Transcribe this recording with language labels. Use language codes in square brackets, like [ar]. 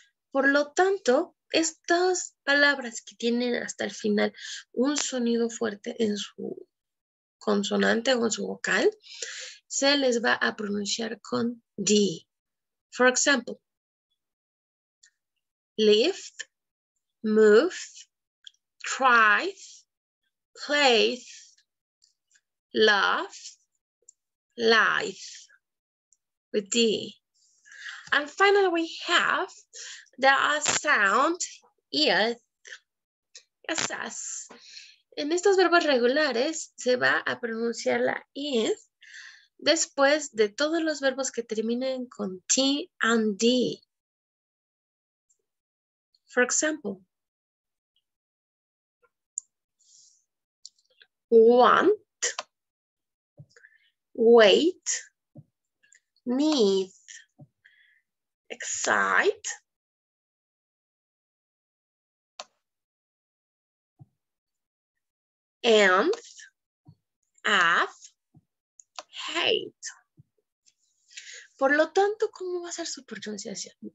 [es] Por lo tanto, estas palabras que tienen hasta el final un sonido fuerte en su consonante o en su vocal, se les va a pronunciar con D. [en] For example, lift, move, thrive, place, love, life, with D. And finally, we have the sound, is, s. [es] En estos verbos regulares, se va a pronunciar la is después de todos los verbos que terminen con T and D. [en] For example, want, wait, need, excite, and, af, hate. [es] Por lo tanto, ¿cómo va a ser su pronunciación?